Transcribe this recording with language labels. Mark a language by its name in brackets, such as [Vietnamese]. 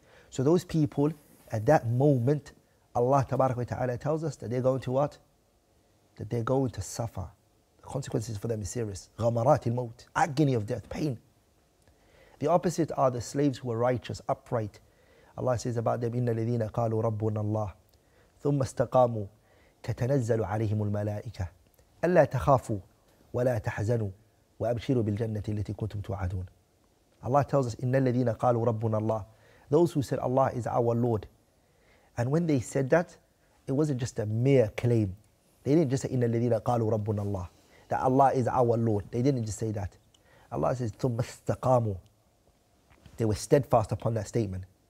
[English] So those people, at that moment, Allah tabarak wa ta'ala tells us that they're going to what? That they're going to suffer. The consequences for them is serious. [Arabic] غَمَرَاتِ الْمَوْتِ, [English] agony of death, pain. The opposite are the slaves who were righteous, upright. Allah says about them, [Arabic] إِنَّ الَّذِينَ قَالُوا رَبُّنَا اللَّهِ ثُمَّ اسْتَقَامُوا تتنزل عليهم الملائكة ألا تخافوا ولا تحزنوا وأبشروا بالجنة التي كنتم توعدون. [English] Allah tells us, [Arabic] إن الذين قالوا ربنا الله, [English] those who said Allah is our Lord. And when they said that, it wasn't just a mere claim. They didn't just say, [Arabic] إن الذين قالوا ربنا الله, [English] that Allah is our Lord. They didn't just say that. Allah says, [Arabic] ثم استقاموا. [English] They were steadfast upon that statement.